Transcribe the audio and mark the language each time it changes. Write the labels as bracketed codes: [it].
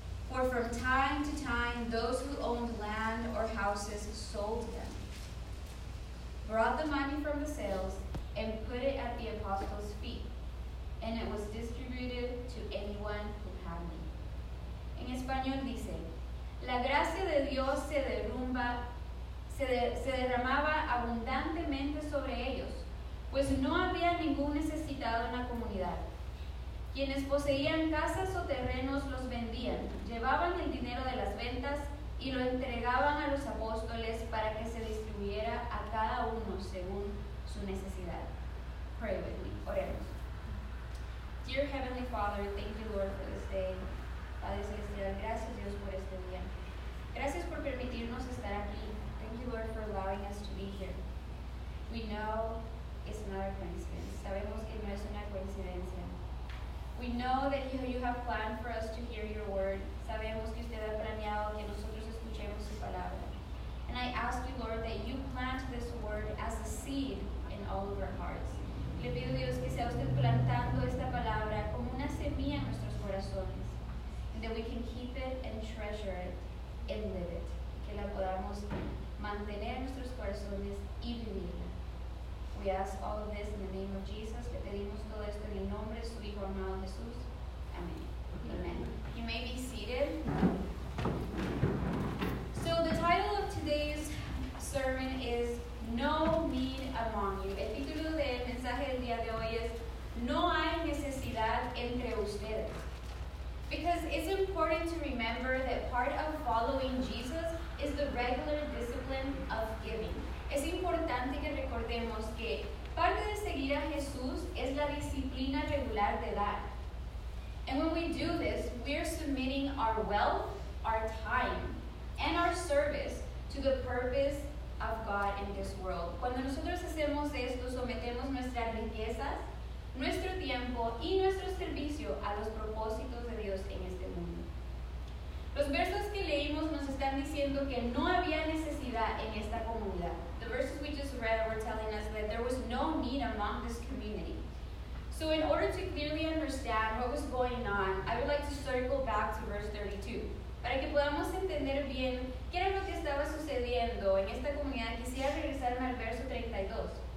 [en] For from time to time, those who owned land or houses sold them, brought the money from the sales, and put it at the apostles' feet. And it was distributed to anyone who had need. [es] En español dice, la gracia de Dios se derramaba abundantemente sobre ellos, pues no había ningún necesitado en la comunidad. Quienes poseían casas o terrenos los vendían, llevaban el dinero de las ventas y lo entregaban a los apóstoles para que se distribuyera a cada uno según su necesidad. [en] Pray with me. [es] Oremos. [en] Dear Heavenly Father, thank you, Lord, for this day. [es] Padre Celestial, gracias, Dios, por este día. Gracias por permitirnos estar aquí. [en] Thank you, Lord, for allowing us to be here. We know it's not a coincidence. [es] Sabemos que no es una coincidencia. [en] We know that you have planned for us to hear your word. [es] Sabemos que usted ha planeado que nosotros escuchemos su palabra. [en] And I ask you, Lord, that you plant this word as a seed in all of our hearts. [es] Le pido a Dios que sea usted plantando esta palabra como una semilla en nuestros corazones. [en] And that we can keep it and treasure it and live it. [es] Que la podamos mantener en nuestros corazones y vivirla. [en] We ask all of this in the name of Jesus. [es] Le pedimos todo esto en el nombre de su Hijo amado Jesús. Amén. [en] Amen. You may be seated. So the title of today's sermon is No Need Among You. [es] El título del mensaje del día de hoy es No Hay Necesidad Entre Ustedes. [en] Because it's important to remember that part of following Jesus is the regular discipline of giving. [es] Es importante que recordemos que parte de seguir a Jesús es la disciplina regular de dar. [en] And when we do this, we are submitting our wealth, our time, and our service to the purpose of God in this world. [es] Cuando nosotros hacemos esto, sometemos nuestras riquezas, nuestro tiempo, y nuestro servicio a los propósitos de Dios en este mundo. Los versos que leímos nos están diciendo que no había necesidad en esta comunidad. [en] The verses we just read were telling us that there was no need among this community. So in order to clearly understand what was going on, I would like to circle back to verse 32. [es] Para que podamos entender bien qué era lo que estaba sucediendo en esta comunidad, quisiera regresarme al verso 32.